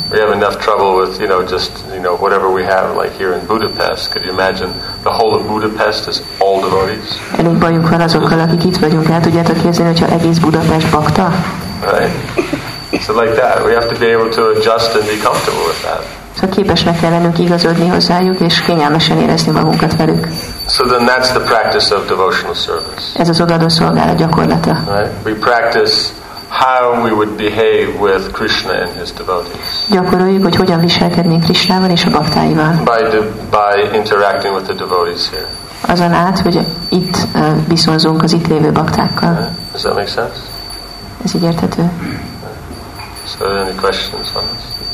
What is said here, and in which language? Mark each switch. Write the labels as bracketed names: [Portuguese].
[English] We have enough trouble with, you know, just, you know, whatever we have, like here in Budapest. Could you imagine the whole of Budapest is all devotees? [Hungarian] Elég bajunk van azokkal, akik itt vagyunk. El tudjátok képzelni, hogyha egész Budapest bakta? [English] Right. So like that. We have to be able to adjust and be comfortable with that. [Hungarian] Szóval képesnek kell lennünk igazodni hozzájuk, és kényelmesen érezni magunkat velük. [English] So then that's the practice of devotional service. [Hungarian] Ez az odaadó szolgálat gyakorlata. [English] Right. We practice how we would behave with Krishna and his devotees. [Hungarian] Gyakoroljuk, hogy hogyan viselkednénk Krishnával és a baktáival. [English] By interacting with the devotees here. [Hungarian] Azon át, hogy itt viszonyzunk az itt lévő baktákkal. [English] Yeah. Does that make sense? [Hungarian] Ez így érthető? [English] So are there any questions on this?